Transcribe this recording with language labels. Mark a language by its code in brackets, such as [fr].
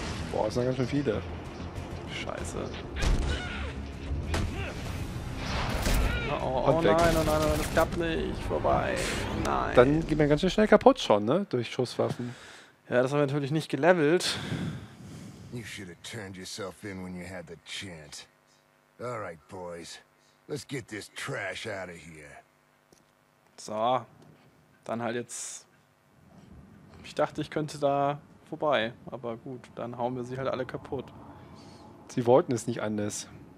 [de] Boah, das sind ganz schön viele. Scheiße. Oh, oh nein, das klappt nicht. Vorbei. Nein. Dann geht man ganz schön schnell kaputt schon, ne? Durch Schusswaffen. Ja, das haben wir natürlich nicht gelevelt. [en] You should have turned yourself in when you had the chance. All right, boys. Let's get this trash out of here. [de] So. Dann halt jetzt. Ich dachte, ich könnte da vorbei. Aber gut, dann hauen wir sie halt alle kaputt. Sie wollten es nicht anders.